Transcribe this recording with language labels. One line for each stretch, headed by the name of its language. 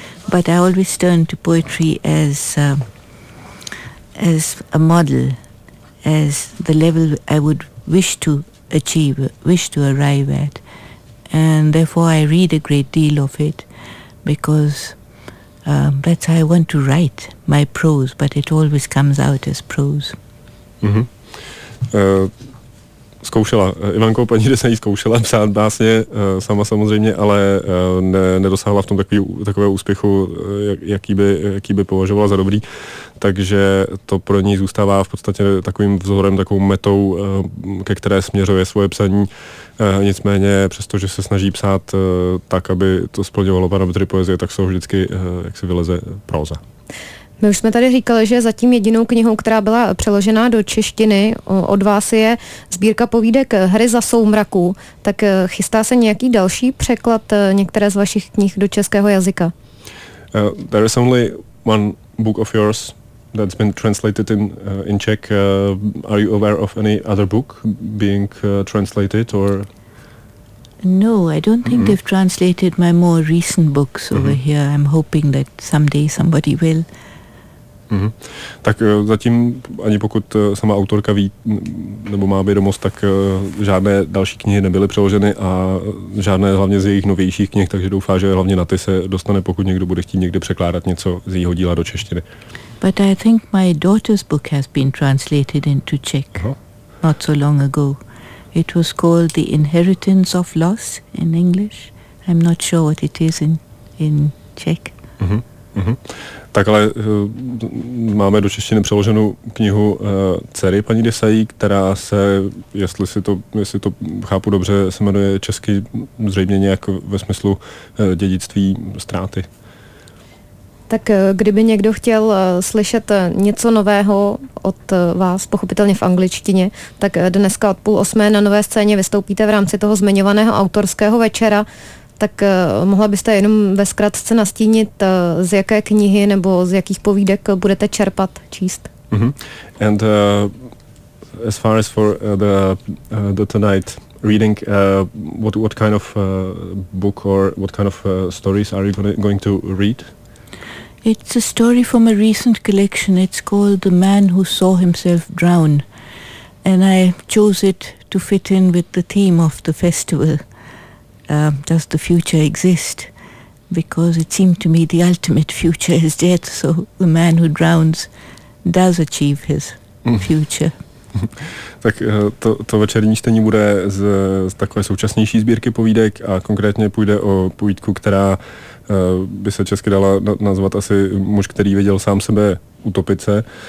English: But I always turn to poetry as a model, as the level I would wish to arrive at. And therefore I read a great deal of it, because that's how I want to write my prose, but it always comes out as prose. Mm-hmm.
Czech: Zkoušela. Ivanko, paní Desai zkoušela psát básně sama samozřejmě, ale nedosáhla v tom takového úspěchu, jaký by považovala za dobrý. Takže to pro ní zůstává v podstatě takovým vzorem, takovou metou, ke které směřuje svoje psaní. Nicméně, přestože se snaží psát tak, aby to splňovalo parametry poezie, tak jsou vždycky, jak se vyleze, proza. My už jsme tady říkali, že zatím jedinou knihou, která byla přeložená do češtiny od vás, je sbírka povídek Hry za soumraku. Tak chystá se nějaký další překlad některé z vašich knih do českého jazyka?
English: There is only one book of yours that's been translated in Czech. Are you aware of any other book being translated or? No, I don't think they've translated my more recent books over here. I'm hoping that someday somebody will. Mm-hmm.
Czech: Tak zatím, ani pokud sama autorka ví, nebo má vědomost, tak žádné další knihy nebyly přeloženy a žádné hlavně z jejich novějších knih, takže doufá, že hlavně na ty se dostane, pokud někdo bude chtít někdy překládat něco z jejího díla do češtiny.
English: But I think my daughter's book has been translated into Czech not so long ago. It was called The Inheritance of Loss in English. I'm not sure what it is in Czech. Mm-hmm.
Czech: Tak ale máme do češtiny přeloženou knihu dcery paní Desai, která se, jestli to chápu dobře, se jmenuje česky zřejmě nějak ve smyslu dědictví ztráty. Tak kdyby někdo chtěl slyšet něco nového od vás, pochopitelně v angličtině, tak dneska od 7:30 na Nové scéně vystoupíte v rámci toho zmiňovaného autorského večera. Tak mohla byste jenom ve zkratce nastínit, z jaké knihy nebo z jakých povídek budete čerpat, číst? Mm-hmm.
English: And as far as for the tonight reading, what kind of book or what kind of stories are you going to read? It's a story from a recent collection. It's called The Man Who Saw Himself Drown. And I chose it to fit in with the theme of the festival, Does the Future Exist? Because it seemed to me the ultimate future is death, so the man who drowns does achieve his future.
Czech: Tak to večerní čtení bude z takové současnější sbírky povídek a konkrétně půjde o povídku, která by se česky dala nazvat asi Muž, který viděl sám sebe utopit se.